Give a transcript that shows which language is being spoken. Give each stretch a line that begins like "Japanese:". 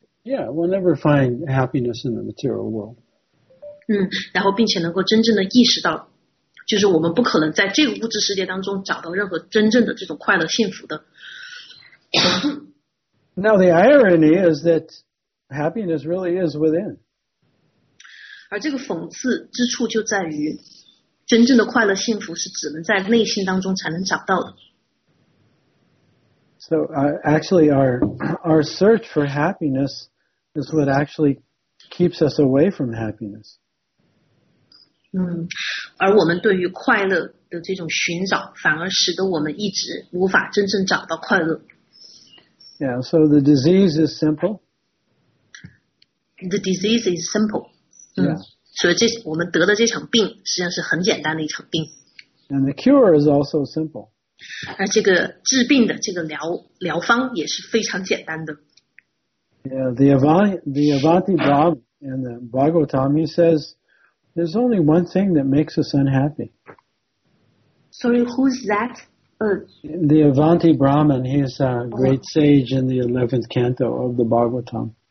English: Yeah, we'll never find happiness in the material world.
Chinese: 然后并且能够真正的意识到就是我们不可能在这个物质世界当中找到任何真正的这种快乐幸福的。
English: Now the irony is that happiness really is within.
Chinese: 而这个讽刺之处就在于真正的快乐幸福是只能在内心当中才能找到的。
English: So actually our search for happiness is what actually keeps us away from happiness.
Chinese: 而我们对于快乐的这种寻找反而使得我们一直无法真正找到快乐。
English: Yeah, so the disease is simple. The disease is simple. Yeah.
Chinese: 所以这我们得的这场病实际上是很简单的一场病。
English: And the cure is also simple.
Chinese: 那这个治病的这个疗方也是非常简单的。
English: Yeah, the Avanti Bhava and the Bhagavatam, he says, there's only one thing that makes us unhappy. Sorry, who's that? The Avanti Brahman, he's a great sage in the 11th canto of the Bhagavatam.